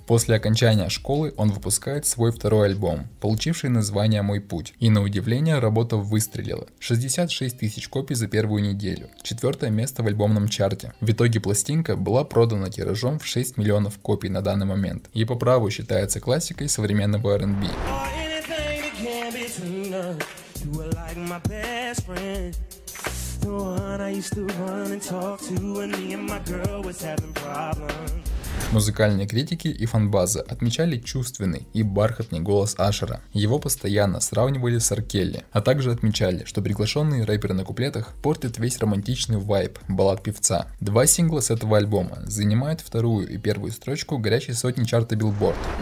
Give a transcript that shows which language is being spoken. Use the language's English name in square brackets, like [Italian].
[Russian] После окончания школы он выпускает свой второй альбом, получивший название «Мой путь». И на удивление работа выстрелила. 66 тысяч копий за первую неделю. Четвертое место в альбомном чарте. В итоге пластинка была продана тиражом в 6 миллионов копий на данный момент. И по праву считается классикой современного R&B. [English] You were like my best friend, the one I used to run and talk to when me and my girl was having problems. [Russian] Музыкальные критики и фанбаза отмечали чувственный и бархатный голос Ашера. Его постоянно сравнивали с Аркелли, а также отмечали, что приглашенный рэпер на куплетах портит весь романтичный вайб баллад певца. Два сингла с этого альбома занимают вторую и первую строчку «Горячей сотни» чарта Billboard.